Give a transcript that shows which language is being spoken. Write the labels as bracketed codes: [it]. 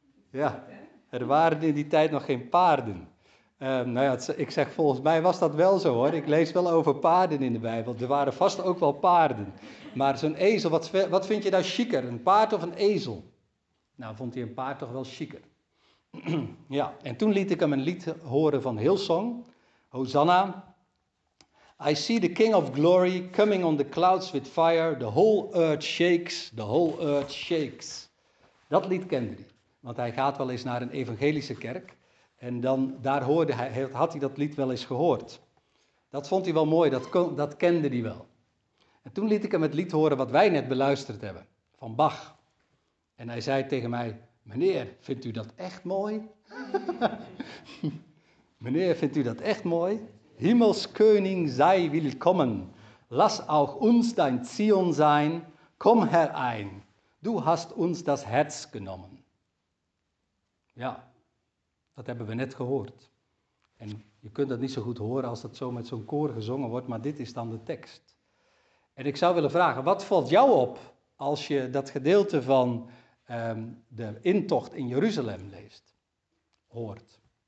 [nl] Ja, er waren in die tijd nog geen paarden. Ik zeg, volgens mij was dat wel zo, hoor. Ik lees wel over paarden in de Bijbel. Er waren vast ook wel paarden. Maar zo'n ezel, wat vind je nou chiquer? Een paard of een ezel? Nou, vond hij een paard toch wel chiquer. Ja, en toen liet ik hem een lied horen van Hillsong. Hosanna. [en] I see the King of Glory coming on the clouds with fire. The whole earth shakes, the whole earth shakes. [nl] Dat lied kende hij. Want hij gaat wel eens naar een evangelische kerk. En dan, daar hoorde hij, had hij dat lied wel eens gehoord. Dat vond hij wel mooi, dat kende hij wel. En toen liet ik hem het lied horen wat wij net beluisterd hebben, van Bach. En hij zei tegen mij, meneer, vindt u dat echt mooi? Meneer, vindt u dat echt mooi? [de] Himmelskoning, sei willkommen. Lass auch uns dein Zion sein. Kom herein. Du hast uns das Herz genommen. [nl] Ja, dat hebben we net gehoord. En je kunt dat niet zo goed horen als dat zo met zo'n koor gezongen wordt, maar dit is dan de tekst. En ik zou willen vragen, wat valt jou op als je dat gedeelte van de intocht in Jeruzalem leest, hoort?